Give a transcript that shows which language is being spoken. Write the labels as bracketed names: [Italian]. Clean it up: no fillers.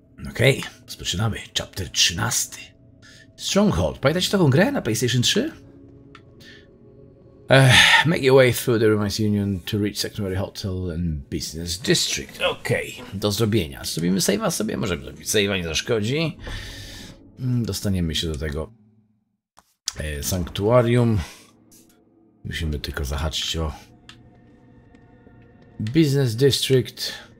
[Polish] Okej, okay, rozpoczynamy. Chapter 13. Stronghold. Pamiętacie taką grę na PlayStation 3? [English] Make your way through the Ruins Union to reach Secondary Hotel and Business District. [Polish] Okej, okay, do zrobienia. Zrobimy save'a sobie, możemy zrobić save'a, nie zaszkodzi. Dostaniemy się do tego sanktuarium. Musimy tylko zahaczyć o Business District.